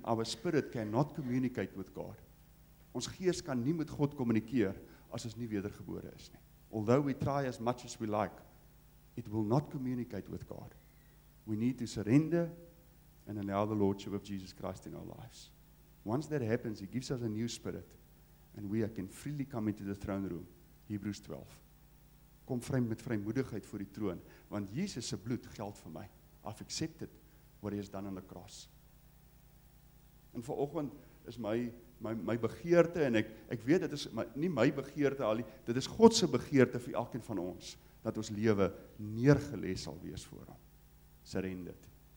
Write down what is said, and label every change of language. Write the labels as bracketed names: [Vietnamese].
[English] Our spirit cannot communicate with God. [Afrikaans] Ons gees kan nie met God kommunikeer as ons nie wedergebore is nie. [English] Although we try as much as we like, it will not communicate with God. We need to surrender and allow the Lordship of Jesus Christ in our lives. Once that happens, he gives us a new spirit and we can freely come into the throne room. Hebrews 12. [Afrikaans] Kom vry met vrymoedigheid voor die troon, want Jesus se bloed geld vir my. [English] I've accepted what he has done on the cross. [Afrikaans] En vanoggend is my begeerte, en ek weet dit is nie my begeerte al nie, dit is God se begeerte vir elkeen van ons, dat ons lewe neergelê sal wees voor hom. [English] Surrender it.